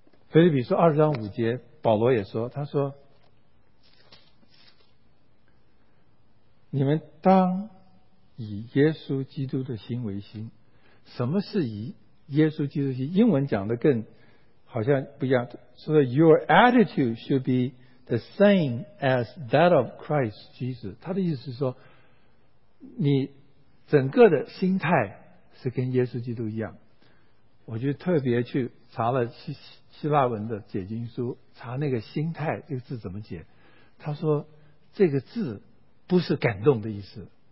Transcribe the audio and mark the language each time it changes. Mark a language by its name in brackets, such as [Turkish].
[Chinese] 腓立比书二章五节，保罗也说，他说你们当以耶稣基督的心为心。什么是以耶稣基督的心？英文讲的更好像不一样，说 [English] Your attitude should be the same as that of Christ Jesus。 [Chinese] 他的意思是说，你整个的心态是跟耶稣基督一样。我就特别去查了希腊文的解经书，查那个心态这个字怎么解。他说这个字不是感动的意思。